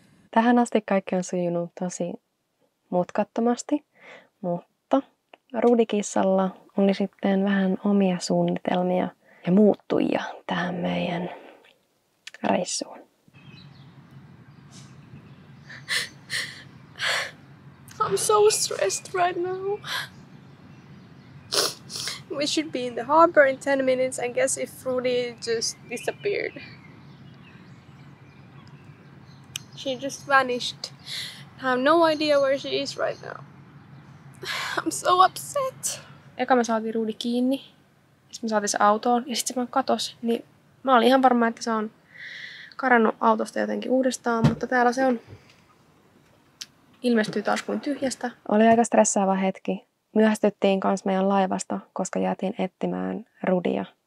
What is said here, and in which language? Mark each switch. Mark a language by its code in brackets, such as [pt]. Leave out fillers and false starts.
[fi] Tähän asti kaikki on sujunut tosi mutkattomasti, mutta Rudikissalla oli sitten vähän omia suunnitelmia ja muuttujia tähän meidän reissuun. [en] I'm so stressed right now. We should be in the harbor in 10 minutes, I guess, if Rudy just disappeared. She just vanished. I have no idea where she is right now. I'm so upset. [fi] Eka me saatiin Rudy kiinni. Sitten me saatiin se autoon ja sitten se vaan katosi. Niin mä olin ihan varma, että se on karannut autosta jotenkin uudestaan, mutta täällä se on. Ilmestyi taas kuin tyhjästä. Oli aika stressaava hetki. Myöhästyttiin kans meidän laivasta, koska jäätiin etsimään Rudia.